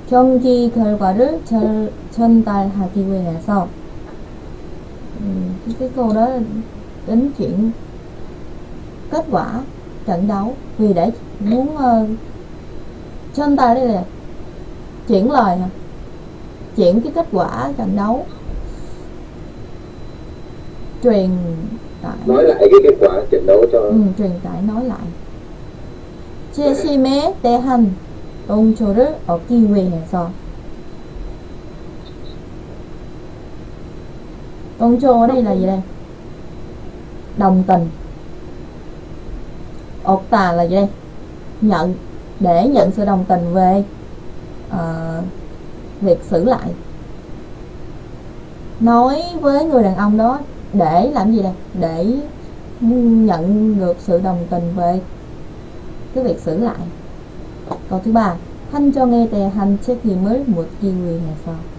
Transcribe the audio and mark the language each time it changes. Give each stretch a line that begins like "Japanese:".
Korean: 경기 결과를 전달하기 위해서.
Vietnamese: Cái câu đó đến chuyện kết quả trận đấu, vì để muốn chân tay đây là chuyển lời hả? Chuyển cái kết quả trận đấu, truyền tải nói lại cái kết quả trận đấu cho truyền tải nói lại.
Korean: 재심에 대한 동조를 얻기 위해서.
Vietnamese: 동조 ở đây là gì đây? Đồng tình. 얻다 là gì đây? Nhận, để nhận sự đồng tình về việc xử lại. Nói với người đàn ông đó để làm gì đây? Để nhận được sự đồng tình về cái việc xử lại. Câu thứ ba,
Korean: 판정에 대한 책임을 묻기 위해서.